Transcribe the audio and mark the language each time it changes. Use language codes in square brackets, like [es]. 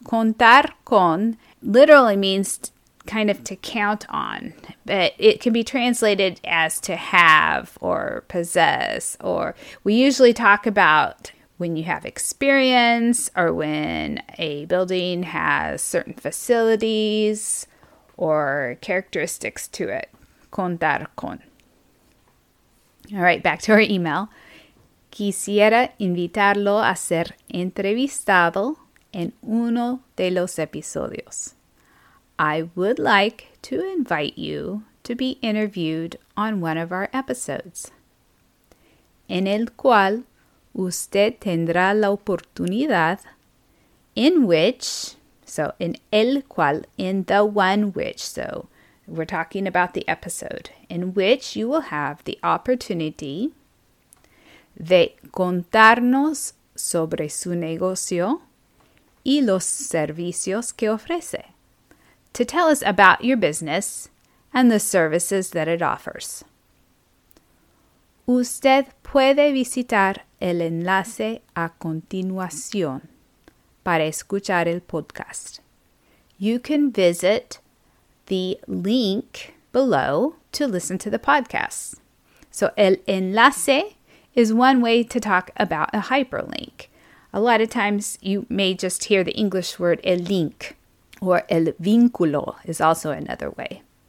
[en] Contar con literally means kind of to count on, but it can be translated as to have or possess. Or we usually talk about when you have experience or when a building has certain facilities or characteristics to it. Contar con. All right, back to our email. [es] Quisiera invitarlo a ser entrevistado en uno de los episodios. [en] I would like to invite you to be interviewed on one of our episodes, [es] en el cual usted tendrá la oportunidad, [en] in which, so in el cual, in the one which, so we're talking about the episode, in which you will have the opportunity [es] de contarnos sobre su negocio y los servicios que ofrece, [en] to tell us about your business and the services that it offers. [es] Usted puede visitar el enlace a continuación para escuchar el podcast. [en] You can visit the link below to listen to the podcast. So, el enlace is one way to talk about a hyperlink. A lot of times you may just hear the English word el link, or el vínculo is also another way.